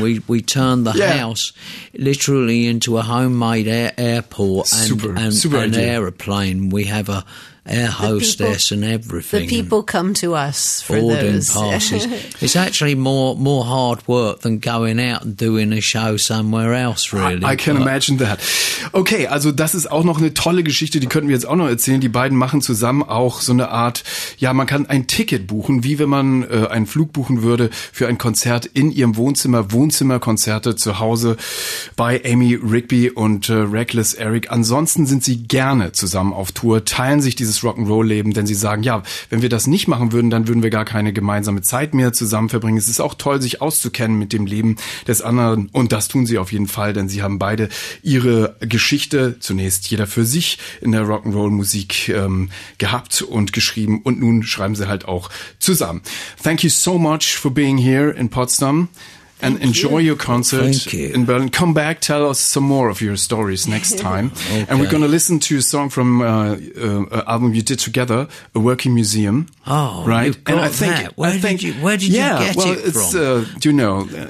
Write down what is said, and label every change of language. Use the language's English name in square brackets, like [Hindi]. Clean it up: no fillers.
[English] We turn the house literally into a homemade airport and aeroplane. We have a air hostess and everything. The people come to us for those passes. It's actually more hard work than going out and doing a show somewhere else, really. I can imagine that. [German] Okay, also das ist auch noch eine tolle Geschichte, die könnten wir jetzt auch noch erzählen. Die beiden machen zusammen auch so eine Art, ja, man kann ein Ticket buchen, wie wenn man einen Flug buchen würde für ein Konzert in ihrem Wohnzimmer, Wohnzimmerkonzerte zu Hause bei Amy Rigby und Reckless Eric. Ansonsten sind sie gerne zusammen auf Tour, teilen sich dieses Rock'n'Roll-Leben, denn sie sagen, ja, wenn wir das nicht machen würden, dann würden wir gar keine gemeinsame Zeit mehr zusammen verbringen. Es ist auch toll, sich auszukennen mit dem Leben des anderen, und das tun sie auf jeden Fall, denn sie haben beide ihre Geschichte, zunächst jeder für sich, in der Rock'n'Roll-Musik gehabt und geschrieben, und nun schreiben sie halt auch zusammen. [English] Thank you so much for being here in Potsdam and enjoy your concert in Berlin. Come back, tell us some more of your stories next time. Okay. And we're going to listen to a song from an album you did together, A Working Museum. Oh, right? You've got and I think, that. Where did you get it from?